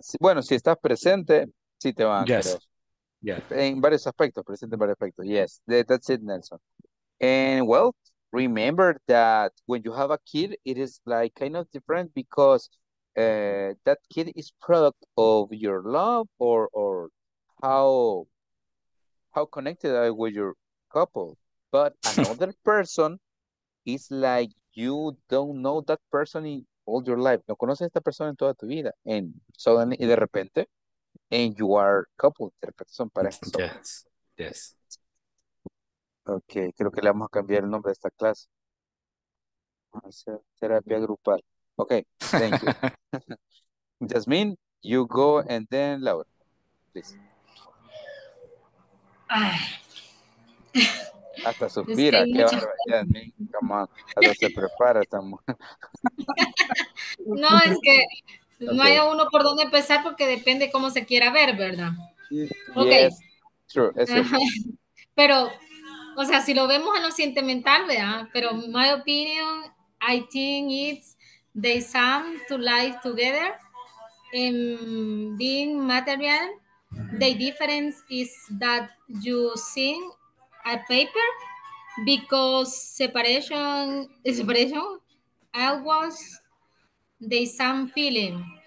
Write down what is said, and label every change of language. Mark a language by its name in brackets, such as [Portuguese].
[Spanish] Sí, bueno, si estás presente, sí te van. [English] Yes. [Spanish] Yeah. En varios aspectos, presente en varios aspectos. [English] Yes, that's it, [Spanish] Nelson. [English] And well, remember that when you have a kid, it is like kind of different because that kid is product of your love or how connected are with your couple. But another person is like you don't know that person in all your life. [Spanish] No conoces a esta persona en toda tu vida. [English] And suddenly, [Spanish] y de repente, [English] and you are couple. [Spanish] De repente son parejas. [English] Yes, yes. [Spanish] Ok, creo que le vamos a cambiar el nombre de esta clase. Vamos a hacer terapia grupal. [English] Ok, thank you. Jasmine, you go and then Laura, please. [Spanish] Hasta suspira, qué bárbaro. Jasmine, [English] come on. [Spanish] Hasta se prepara esta mujer. No, es que no okay. Hay uno por dónde empezar porque depende cómo se quiera ver, ¿verdad? [English] Ok. Yes, true, es [Spanish] pero... O sea, si lo vemos en lo sentimental, ¿verdad? [English] Pero my opinion, I think it's the sum to life together. In being material, the difference is that you sing a paper because separation always the same feeling.